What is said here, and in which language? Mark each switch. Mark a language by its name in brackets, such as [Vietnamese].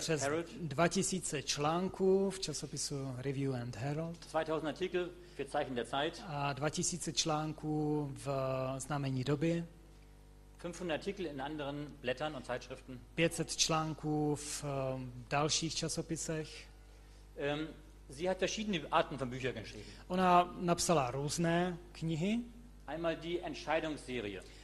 [Czech] Přes 2000 článků v časopisu Review and Herald. [German] 2000 Artikel für Zeichen der Zeit. [Czech] A 2000 článků v Znamení doby. [German] 500 Artikel in anderen Blättern und Zeitschriften. [Czech] 500 článků v dalších časopisech. [German] Sie hat verschiedene Arten von Büchern geschrieben. [Czech] Ona napsala různé knihy. [German] Einmal die Entscheidungsserie.